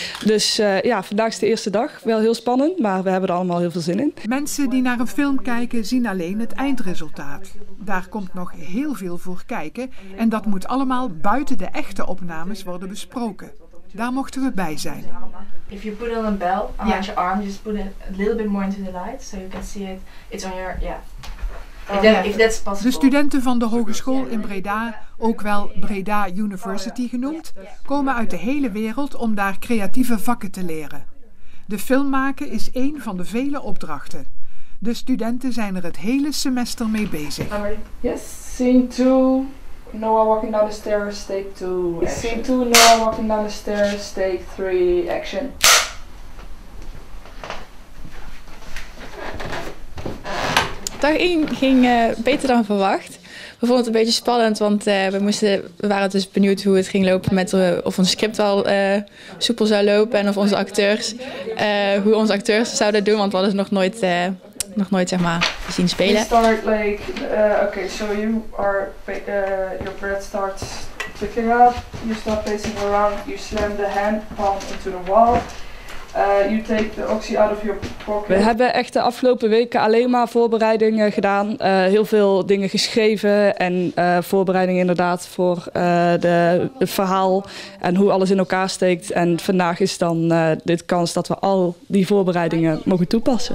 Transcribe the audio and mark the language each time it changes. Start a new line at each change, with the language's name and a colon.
Dutch: Dus vandaag is de eerste dag. Wel heel spannend, maar we hebben er allemaal heel veel zin in. Mensen die naar een film kijken zien alleen het eindresultaat. Daar komt nog heel veel voor kijken en dat moet allemaal buiten de echte opnames worden besproken. Daar mochten we bij zijn.
English: If you put on a bell on your arm, just put it a little bit more into the light so you can see it. It's on your, yeah.
Dutch: De studenten van de Hogeschool in Breda, ook wel Breda University genoemd, komen uit de hele wereld om daar creatieve vakken te leren. De film maken is één van de vele opdrachten. De studenten zijn er het hele semester mee bezig.
English: Yes, scene 2, Noah walking down the stairs, take 2, action. Scene 2, Noah walking down the stairs, take 3, action.
Dutch: Dag 1 ging beter dan verwacht. We vonden het een beetje spannend, want we waren dus benieuwd hoe het ging lopen met of ons script wel soepel zou lopen en of onze acteurs hoe onze acteurs zouden doen, want we hadden ze nog nooit zeg maar zien spelen.
English: Start like okay, so you are your breath starts picking up, you start pacing around, you slam the hand palm into the wall. You take the oxy out of your pocket.
Dutch: We hebben echt de afgelopen weken alleen maar voorbereidingen gedaan. Heel veel dingen geschreven en voorbereidingen inderdaad voor het verhaal en hoe alles in elkaar steekt. En vandaag is dan de kans dat we al die voorbereidingen mogen toepassen.